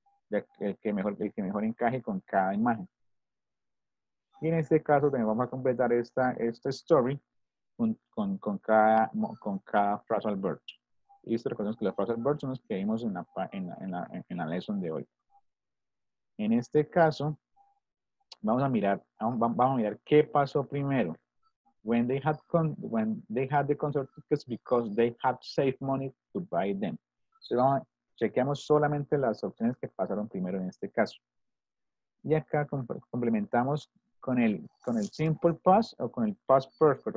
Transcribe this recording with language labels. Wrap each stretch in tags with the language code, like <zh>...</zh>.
<es>Ya el que mejor encaje con cada imagen. Y en este caso también vamos a completar esta story con cada phrasal verb. ¿Listo? Recordemos que los phrasal verbs son los que vimos en la lesson de hoy. En este caso, vamos a mirar qué pasó primero.</es> <en>When they had the concert tickets because they had saved money to buy them.</en> <es>Chequeamos solamente las opciones que pasaron primero en este caso. Y acá complementamos con el simple past o con el past perfect.</es>